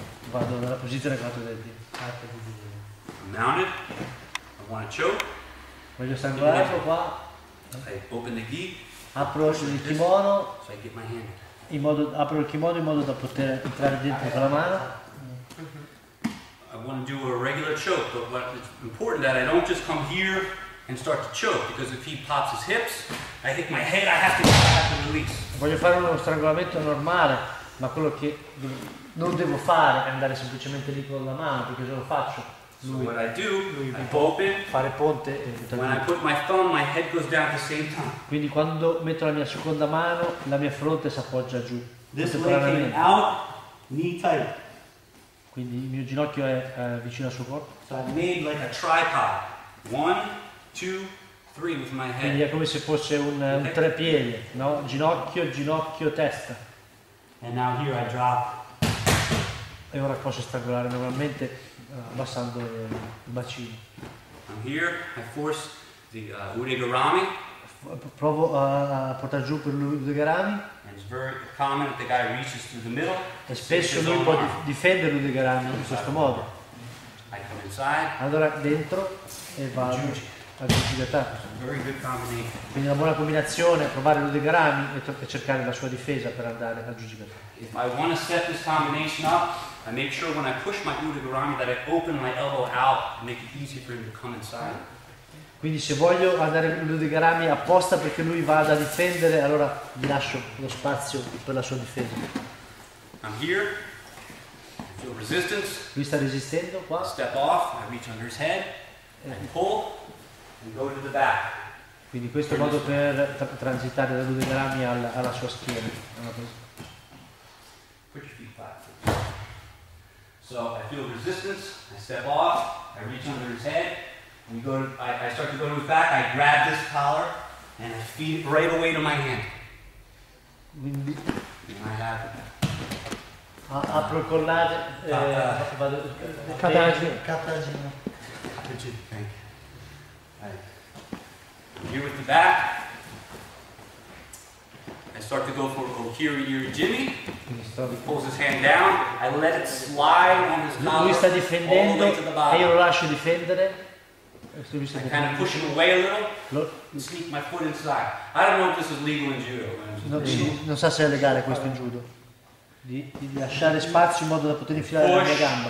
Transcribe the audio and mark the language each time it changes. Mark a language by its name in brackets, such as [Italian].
[Italian] Vado nella posizione quattro denti. [English] Mounted. I want to choke. [Italian] Voglio strangolare ecco qua. [English] I open the gi, [Italian] apro il kimono, [English] so I get my hand. [Italian] In modo, apro il kimono in modo da poter entrare dentro con la mano. [English] I want to do a regular choke, but it's important that I don't just come here and start to choke, because if he pops his hips, I hit my head, I have to release. [Italian] Voglio fare uno strangolamento normale, ma quello che non devo fare è andare semplicemente lì con la mano, perché se lo faccio. [English] So what I do, I open, [Italian] fare ponte. [English] When I put my thumb, my head goes down at the same time. [Italian] Quindi quando metto la mia seconda mano, la mia fronte si appoggia giù. [English] This leg came out, knee tight. [Italian] Quindi il mio ginocchio è vicino al suo corpo. [English] So I made like a tripod. One, two, three with my head. [Italian] Quindi è come se fosse un treppiede, no? Ginocchio, testa. [English] And now here I drop. [Italian] E ora posso strangolare normalmente abbassando il bacino. [English] I'm here, I force the Udegarami. [Italian] Provo a portare giù per l'Udegarami. [English] And it's very common that the guy reaches through the middle. [Italian] E spesso lui può difendere l'Udegarami in questo modo. [English] I come inside. [Italian] Allora dentro e vado a giudicità. [English] Very good combination. [Italian] Quindi una buona combinazione, provare l'Udegarami e cercare la sua difesa per andare a giudicità. [English] If I want to set this combination up, I make sure when I push my Udegarami that I open my elbow out and make it easy for him to come inside. [Italian] Quindi se voglio andare l'Udegarami apposta perché lui vada a difendere, allora gli lascio lo spazio per la sua difesa. [English] I'm here. I feel resistance. [Italian] Lui sta resistendo qua. [English] Step off. I reach under his head. And pull. And go to the back. [Italian] Quindi questo è modo per transitare dall'Udegarami alla sua schiena. Alla [English] put your feet flat. So I feel resistance, I step off, I reach under his head, and I start to go to his back, I grab this collar, and I feed it right away to my hand. [Italian] Quindi, [English] and I have it. [Italian] Apro il collare, vado a Cattagino. [English] Cattagino, thank you. Right. Here with the back, I start to go for Okiri Irijimi. He pulls his hand down. I let it slide on his collar. [Italian] Lui sta difendendo e io lo lascio difendere. [English] I kind of push him away a little. Sneak my foot inside. I don't know if this is legal in judo. [Italian] Non so se è legale questo in judo. Di lasciare spazio in modo da poter infilare la mia gamba.